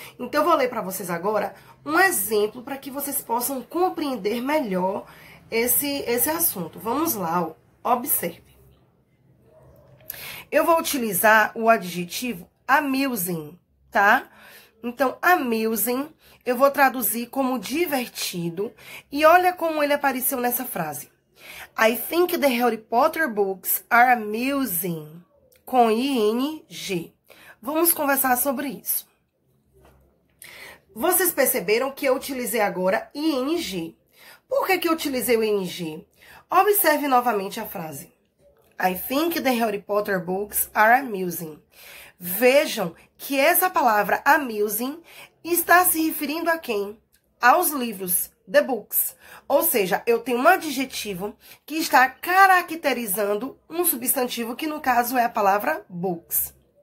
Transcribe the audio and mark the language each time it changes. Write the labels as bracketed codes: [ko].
[pt] Então, eu vou ler para vocês agora um exemplo para que vocês possam compreender melhor esse assunto. Vamos lá, ó. Observe. Eu vou utilizar o adjetivo amusing, tá? Então, amusing. Eu vou traduzir como divertido e olha como ele apareceu nessa frase. [en] I think the Harry Potter books are amusing. [pt] Com ing. Vamos conversar sobre isso. Vocês perceberam que eu utilizei agora ing. Por que que eu utilizei o ing? Observe novamente a frase. [en] I think the Harry Potter books are amusing. [pt] Vejam que essa palavra amusing está se referindo a quem? Aos livros, [en] the books. [pt] Ou seja, eu tenho um adjetivo que está caracterizando um substantivo, que no caso é a palavra books.